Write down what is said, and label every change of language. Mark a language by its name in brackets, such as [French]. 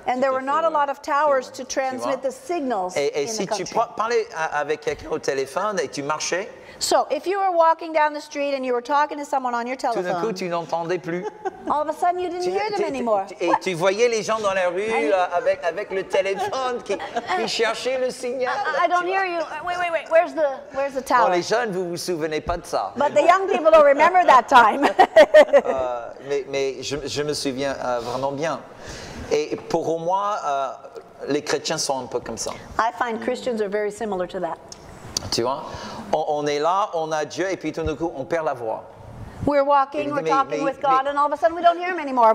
[English] And there were not a lot of towers to transmit the signals. [French] Et si tu parlais avec quelqu'un au téléphone et tu marchais. [English] So if you were walking down the street and you were talking to someone on your telephone. [French] Tout d'un coup, tu n'entendais plus. [English] All of a sudden, you didn't hear them anymore. [French] Et tu voyais les gens dans la rue avec le téléphone qui cherchaient le signal. [English] I don't hear you. Wait. Where's the tower? [French] Bon, les jeunes, vous vous souvenez pas de ça. [English] But the young people will remember that time. [French] mais je me souviens vraiment bien. Et pour moi, les chrétiens sont un peu comme ça. [English] I find Christians are very similar to that. [French] Tu vois, on est là, on a Dieu, et puis tout d'un coup, on perd la voix. [English] We're walking, we're talking with God, and all of a sudden we don't hear him anymore.